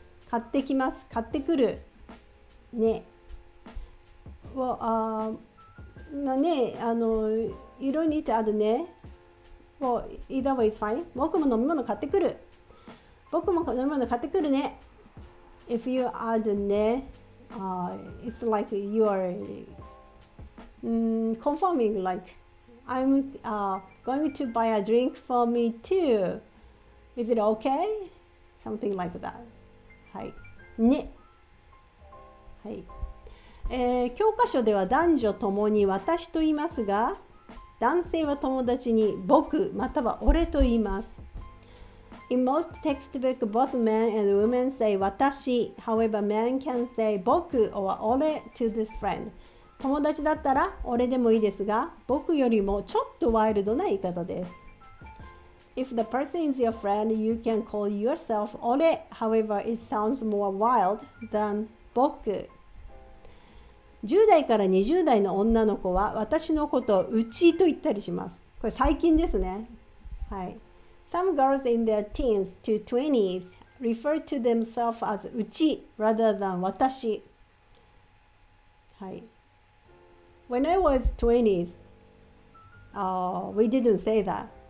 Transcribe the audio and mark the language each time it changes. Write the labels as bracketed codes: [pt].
[ja] 買ってきます。買ってくる。ね。 [en] You don't need to add ね。 Well, either way is fine. [ja] 僕も飲み物買ってくる。僕も飲み物買ってくるね。 [en] If you add ね、it's like you are、confirming like I'm、going to buy a drink for me too. Is it okay? Something like that. [ja] はい。ね。はい。教科書では男女ともに私と言いますが、男性は友達に僕または俺と言います。 [en] In most textbook, both men and women say 私。 However, men can say 僕 or 俺 to this friend. [ja] 友達だったら俺でもいいですが、僕よりもちょっとワイルドな言い方です。 [en] If the person is your friend, you can call yourself 俺。 However, it sounds more wild than 僕。 [ja] 10代から20代の女の子は私のことをうちと言ったりします。これ最近ですね。はい。 [en] Some girls in their teens to 20s refer to themselves as うち rather than 私。 [ja] はい。 [en] When I was 20s, we didn't say that.